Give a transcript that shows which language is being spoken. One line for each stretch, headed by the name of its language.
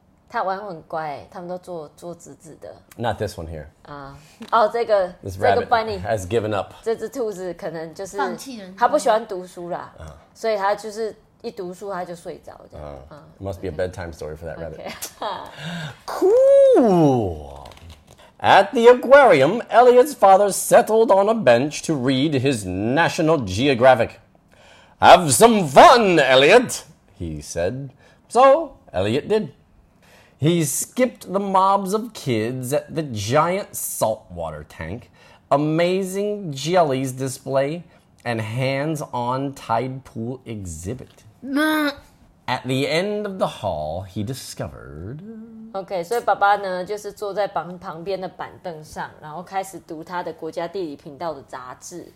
Chinese: 他玩很乖，他们都坐直直的。
English: Not this one here.
Chinese: 啊，哦，这个
English: this
Chinese: 这个
English: bunny has given up.
Chinese: 这只兔子可能就是放弃人，他不喜欢读书啦，所以他就是一读书他就睡着这样。
English: Must be a bedtime story for that rabbit. Okay. Cool. At the aquarium, Elliot's father settled on a bench to read his National Geographic. "Have some fun, Elliot," he said. So Elliot did. He skipped the mobs of kids at the giant saltwater tank, amazing jellies display, and hands-on tide pool exhibit. At the end of the hall, he discovered... Okay, so
Chinese: 爸爸呢就是坐在旁边的板凳上，然后开始读他的国家地理频道的杂志。